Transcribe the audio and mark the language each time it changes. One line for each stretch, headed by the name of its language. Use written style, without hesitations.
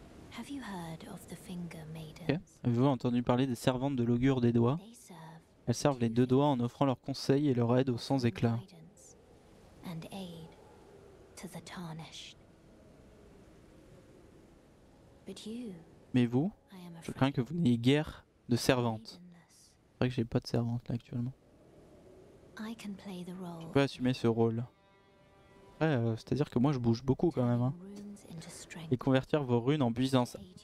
English: Have you heard of the finger maidens? Okay.
French: Avez-vous entendu parler des servantes de l'augure des doigts? Elles servent les deux doigts en offrant leur conseil et leur aide aux sans-éclats.
English: And aid to the tarnished. But you,
French: mais vous, je crains que vous n'ayez guère de servantes. C'est vrai que j'ai pas de servantes là actuellement. Je peux assumer ce rôle. Ouais, c'est-à-dire que moi je bouge beaucoup quand même. Hein. Et convertir vos runes en puissance.